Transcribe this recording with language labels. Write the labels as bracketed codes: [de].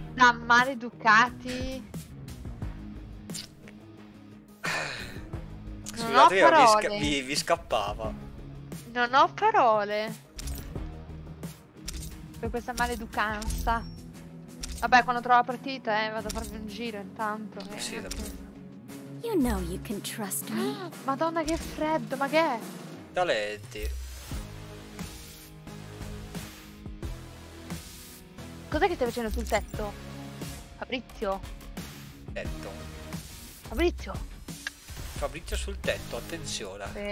[it] Da maleducati. Scusate, non ho parole. Vi scappava. Non ho parole. Per questa maleducanza. Vabbè, quando trovo la partita, vado a farvi un giro intanto. Sì, [en] you know you can trust me. [it] Madonna, che freddo, ma che è? Taletti. Cos'è che stai facendo sul tetto? Fabrizio? Tetto. Fabrizio? Fabrizio sul tetto, attenzione.